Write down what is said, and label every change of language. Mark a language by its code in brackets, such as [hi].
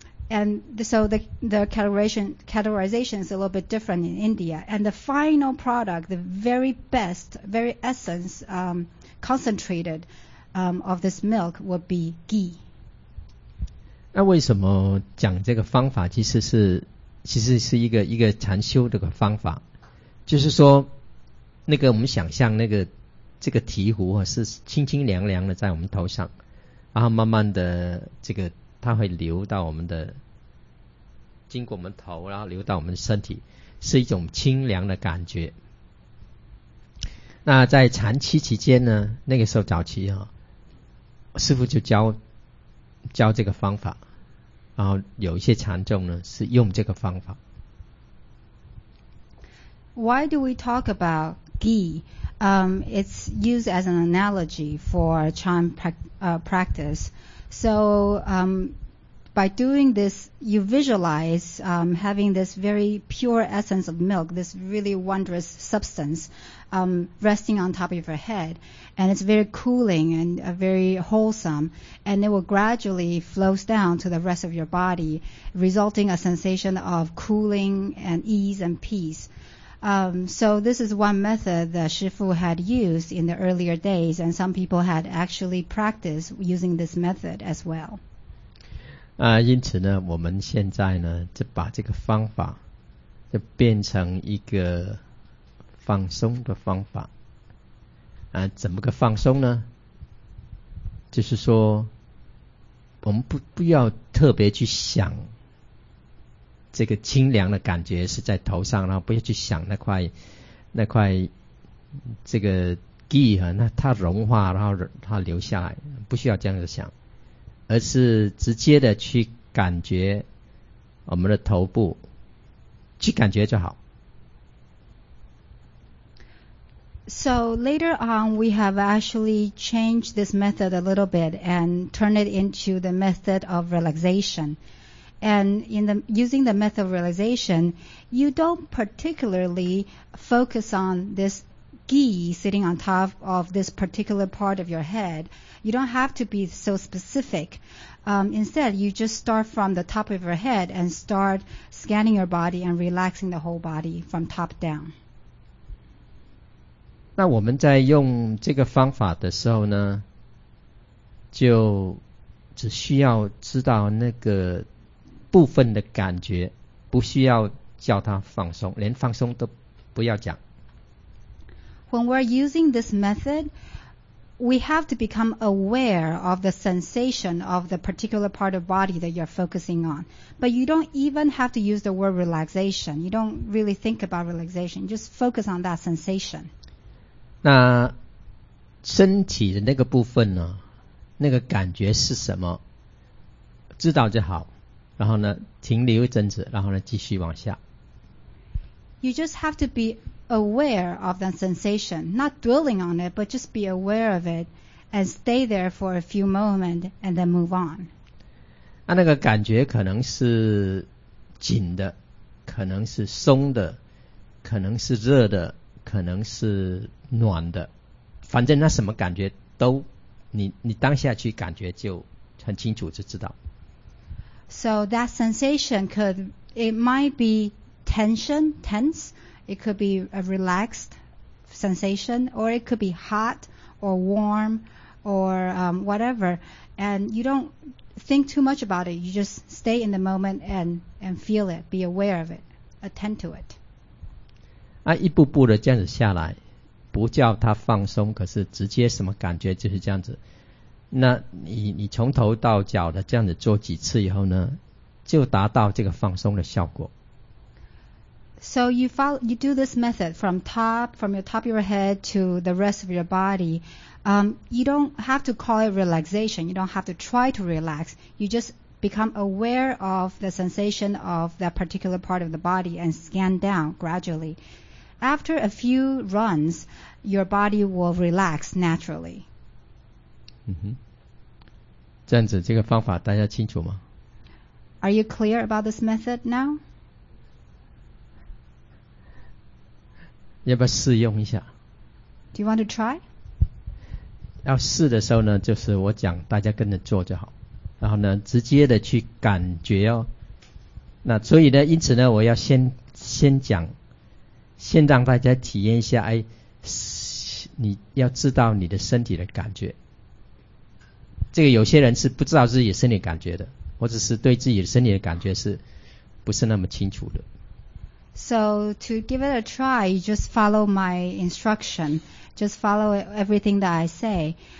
[en] And so the categorization is a little bit different in India. And the final product, the very best, very essence concentrated of this milk would be ghee. [zh] 那为什么讲这个方法其实是一个禅修的方法。就是说那个我们想象那个这个醍醐是清清凉凉的在我们头上，然后慢慢的这个它会流到我们的经过我们头，然后流到我们的身体，是一种清凉的感觉。那在禅期期间呢，那个时候早期啊，师父就教这个方法，然后有一些禅众呢是用这个方法。 [en] Why do we talk about ghee? It's used as an analogy for chan practice. So by doing this, you visualize having this very pure essence of milk, this really wondrous substance resting on top of your head. And it's very cooling and very wholesome. And it will gradually flows down to the rest of your body, resulting a sensation of cooling and ease and peace. So this is one method that Shifu had used in the earlier days, and some people had actually practiced using this method as well. [zh] 因此呢，我们现在呢，就把这个方法就变成一个放松的方法。怎么个放松呢？就是说，我们不要特别去想这个清凉的感觉是在头上，然后不要去想那块这个 ghi 啊，那它融化，然后它流下来，不需要这样子想，而是直接的去感觉我们的头部，去感觉就好。 [en] So later on, we have actually changed this method a little bit and turned it into the method of relaxation. And using the method of realization, you don't particularly focus on this ghi sitting on top of this particular part of your head. You don't have to be so specific. Instead, you just start from the top of your head and start scanning your body and relaxing the whole body from top down. [zh] 那我们在用这个方法的时候呢，就只需要知道那个部分的感觉，不需要叫它放松，连放松都不要讲。 [en] When we're using this method, we have to become aware of the sensation of the particular part of body that you're focusing on. But you don't even have to use the word relaxation. You don't really think about relaxation. Just focus on that sensation. [zh] 那身体的那个部分呢？那个感觉是什么？知道就好。然后呢，停留一阵子，然后呢，继续往下。 [en] You just have to be aware of the sensation, not dwelling on it, but just be aware of it and stay there for a few moments and then move on. [zh] 那个感觉可能是紧的，可能是松的，可能是热的，可能是暖的，反正那什么感觉都，你当下去感觉就很清楚就知道。 [en] So that sensation might be tension, tense, it could be a relaxed sensation, or it could be hot or warm or whatever. And you don't think too much about it, you just stay in the moment and feel it, be aware of it, attend to it. [zh] 一步步的这样子下来，不叫它放松，可是直接什么感觉就是这样子。那你从头到脚的这样子做几次以后呢，就达到这个放松的效果。 [en] So you do this method from your top of your head to the rest of your body. You don't have to call it relaxation. You don't have to try to relax. You just become aware of the sensation of that particular part of the body and scan down gradually. After a few runs, your body will relax naturally. [zh] 这样子这个方法大家清楚吗？ [en] Are you clear about this method now? [zh] 要不要试用一下？ [en] Do you want to try? [zh] 要试的时候呢，就是我讲大家跟着做就好，然后呢直接的去感觉哦。那所以呢，因此呢，我要先讲，先让大家体验一下，你要知道你的身体的感觉。这个有些人是不知道自己身体感觉的，或者是对自己身体的感觉是不是那么清楚的。 [en] So to give it a try, you just follow my instruction, just follow everything that I say.